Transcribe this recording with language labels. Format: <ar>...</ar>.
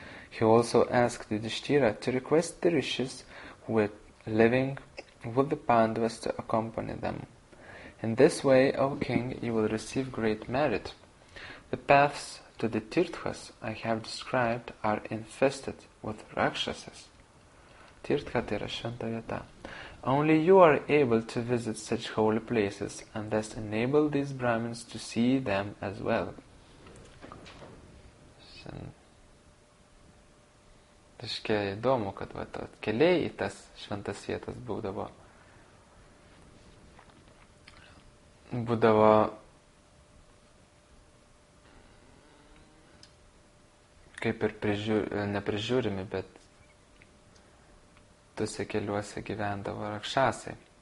<en>He also asked Yudhishthira to request the rishis who were living with the Pandavas to accompany them. In this way, O king, you will receive great merit. The paths to the Tirthas I have described are infested with rakshasas.</en> <lt>Tirtha tai yra šventa vieta.</lt> <en>Only you are able to visit such holy places and thus enable these Brahmins to see them as well.</en> <lt>Taškiai įdomu, kad va, to, keliai į tas šventas vietas būdavo. Būdavo kaip ir neprižiūrimi, bet tuose keliuose gyvendavo rakšasai.</lt>